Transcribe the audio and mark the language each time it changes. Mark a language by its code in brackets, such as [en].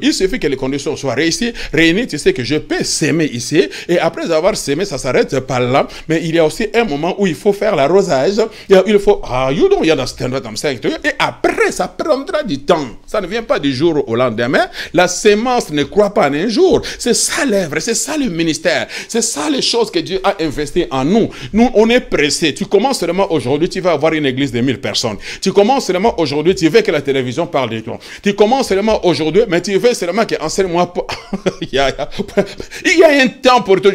[fr] Il suffit que les conditions soient réunies. Tu sais que je peux semer ici et après avoir semé, ça s'arrête pas là. Mais il y a aussi un moment où il faut faire l'arrosage. Il faut, [en] you don't understand what I'm saying to you. [fr] Et après, ça prendra du temps. Ça ne vient pas du jour au lendemain. La semence ne croît pas en un jour. C'est ça l'œuvre, c'est ça le ministère. C'est ça les choses que Dieu a investies en nous. Nous, on est pressés. Tu commences seulement aujourd'hui, tu vas avoir une église de 1000 personnes. Tu commences seulement aujourd'hui, tu veux que la télévision parle de toi. Tu commences seulement aujourd'hui, mais tu veux seulement qu'en 5 mois, il y a un temps pour tout.